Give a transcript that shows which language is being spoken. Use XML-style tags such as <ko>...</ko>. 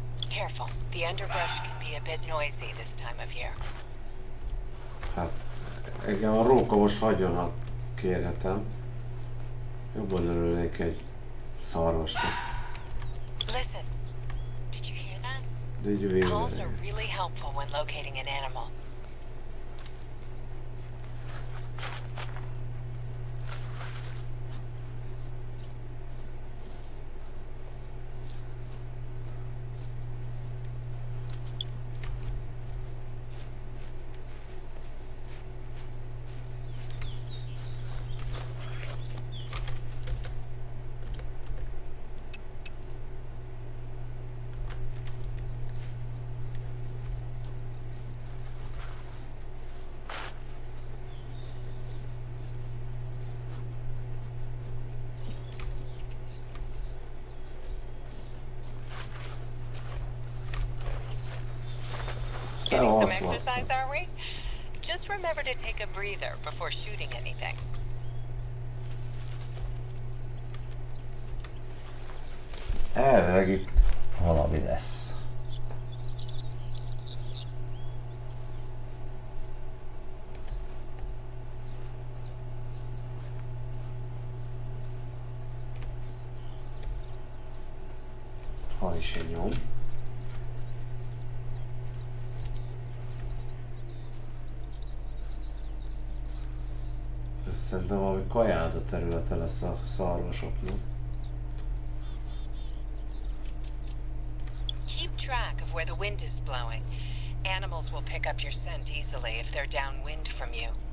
<en>Careful, the underbrush can be a bit noisy this time of year.</en> <hu>Hát, igen, a róka most hagyjon, ha kérhetem. Jobban örülnék egy szarvasnak.</hu> <en>Listen. Did you hear that? Did you hear that? Calls are really helpful when locating an animal. Exercise, are we? Just remember to take a breather before shooting anything.</en> <hu>Elvileg itt valami lesz. Ha is egy nyom. Szerintem valami kajáda területe lesz a szarvasoknak.</hu> <en>track of where the wind is blowing. Animals will pick up your scent easily if they're downwind from you.</en>